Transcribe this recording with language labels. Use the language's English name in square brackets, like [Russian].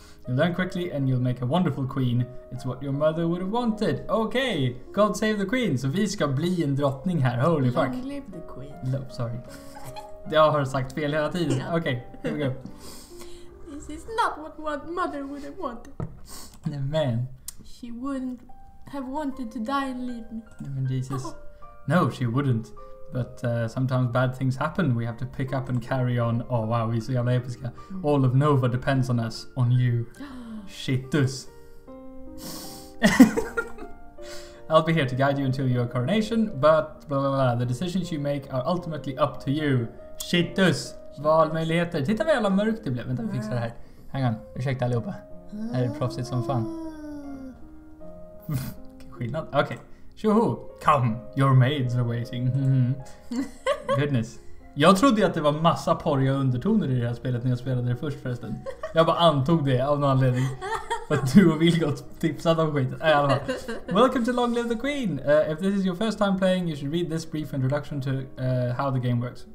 [English] You'll learn quickly and you'll make a wonderful queen. It's what your mother would have wanted. Okej. Okay. God save the queen. [Swedish] Så vi ska bli en drottning här. [English] Holy fuck. Long live the queen. No, sorry. [Swedish] Jag har sagt fel hela tiden. [English] Okej, okay, here we go. This is not what mother would have wanted. [Swedish] Nej, men. [English] She wouldn't have wanted to die and leave me. [Swedish] Nej, men [English] Jesus. No, she wouldn't. But sometimes bad things happen. We have to pick up and carry on. Oh wow, [Swedish] vi är så jävla episka. [English] All of Nova depends on us, on you. Shitus. I'll be here to guide you until your coronation, but blah, blah, blah, the decisions you make are ultimately up to you. [Swedish] Shitus. Valmöjligheter. Titta vad jävla mörkt det blev. Vänta, vi fixar det här. [English] Hang on. [Swedish] Ursäkta allihopa. Det här är proffsigt som fan. [English] Skillnad. Okej. Okay. Tjoho, come, your maids are waiting. Goodness. [Swedish] Jag trodde att det var massa porriga undertoner i det här spelet när jag spelade det först förresten. Jag bara antog det av någon anledning. För att du och Vilgot tipsade om skiten. [English] Welcome to Long Live the Queen. If this is your first time playing, you should read this brief introduction to how the game works.